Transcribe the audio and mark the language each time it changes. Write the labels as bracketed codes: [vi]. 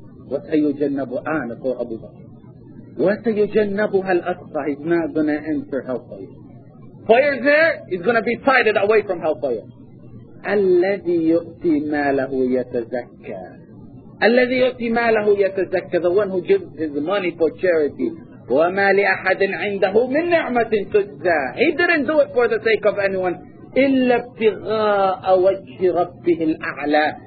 [ar] وسيجنبها أنا فوق أبو بكر. وسيجنبها الأتقى. [en] He's not gonna enter hellfire. Fire's there, he's gonna be sighted away from hellfire. [ar] الذي يؤتي ماله يتزكى. الذي يؤتي ماله يتزكى. [en] The one who gives his money for charity. [ar] وما لأحد عنده من نعمة تجزى. [en] He didn't do it for the sake of anyone. [ar] إلا ابتغاء وجه ربه الأعلى.